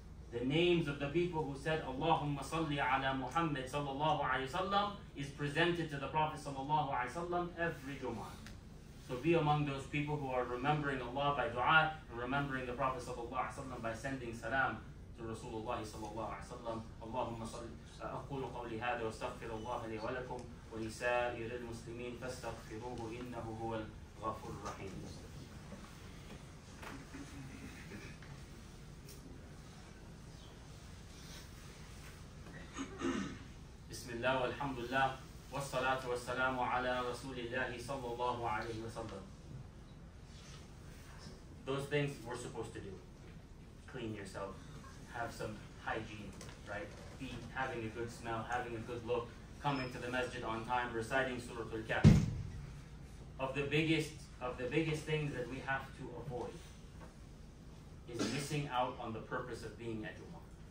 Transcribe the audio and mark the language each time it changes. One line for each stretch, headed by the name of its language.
English: The names of the people who said Allahumma salli ala Muhammad sallallahu alayhi wa sallam is presented to the Prophet sallallahu alayhi wa sallam every Jumu'ah. So be among those people who are remembering Allah by dua and remembering the Prophet sallallahu alayhi wa sallam by sending salam to Rasulullah sallallahu alayhi wa sallam.
Arabic: Allahumma salli أقول قولي هذا واستغفر الله لي ولكم ولسائر المسلمين فاستغفروه إنه هو الغفور الرحيم. بسم الله والحمد لله والصلاة والسلام على رسول الله صلى الله عليه وسلم.
English: Those things we're supposed to do. Clean yourself. Have some hygiene, right? Feet, having a good smell, having a good look, coming to the masjid on time, reciting Surah Al-Kahf. Of the biggest things that we have to avoid is missing out on the purpose of being at Jumu'ah.